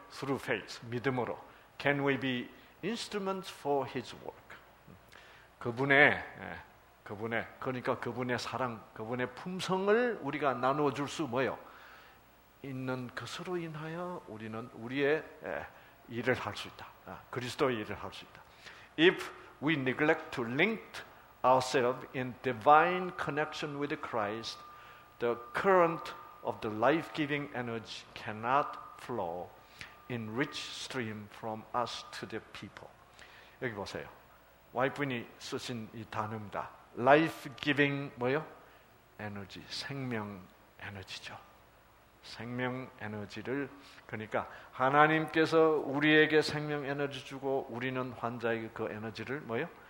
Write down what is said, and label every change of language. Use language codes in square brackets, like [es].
[en] through faith, [ko] 믿음으로 [en] can we be instruments for his work [ko] 그분의 사랑, 그분의 품성을 우리가 나누어 줄 수 뭐요? 있는 것으로 인하여 우리는 우리의 일을 할 수 있다. 그리스도의 일을 할 수 있다. [en] If we neglect to link ourselves in divine connection with Christ, the current of the life-giving energy cannot flow in rich stream from us to the people. [ko] 여기 보세요. 와이프분이 쓰신 이 단어입니다. [en] Life-giving [ko] 뭐요? 에너지, 생명 에너지죠. 생명 에너지를 그러니까 하나님께서 우리에게 생명 에너지 주고 우리는 환자에게 그 에너지를 뭐요?